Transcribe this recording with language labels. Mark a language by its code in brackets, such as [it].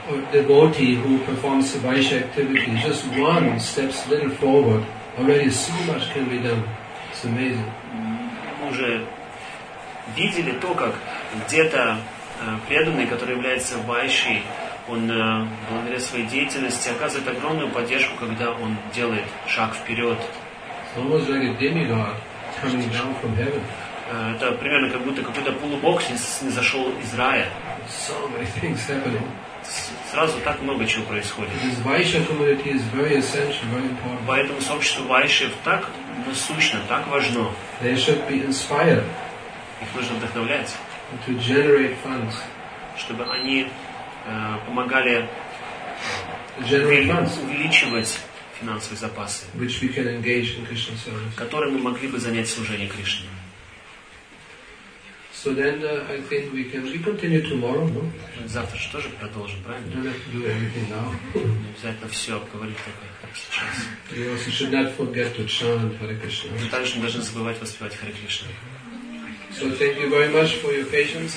[en] Devotee who performs the vaishya activity, just one steps a little forward, already so much can be done. It's amazing. [ru] Мы уже видели то, как где-то преданный, который является вайшей, он благодаря своей деятельности оказывает огромную поддержку, когда он делает шаг вперед. [en] It's almost like a demigod coming down from heaven. [ru] Это примерно как будто какой-то полубог снизошел из рая. [en] So many things happening. [ru] Сразу так много чего происходит. [en] This vaishya community is very essential, very important. [ru] Поэтому сообщество вайшев так насущно, так важно. [en] They should be inspired. [ru] Их нужно вдохновлять. [en] To generate funds. [ru] Чтобы они помогали увеличивать финансовые запасы, [en] which we can engage in Krishna service. [ru] Которые мы могли бы занять служение Кришне. [en] So then I think we continue tomorrow, no? [ru] Завтра же тоже продолжим, правильно? [en] We don't have to do everything now. [ru] Не обязательно все обговорить только сейчас. [en] We also should not forget to chant Hare Krishna. [ru] Мы также не должны забывать воспевать Hare Krishna. [en] So thank you very much for your patience.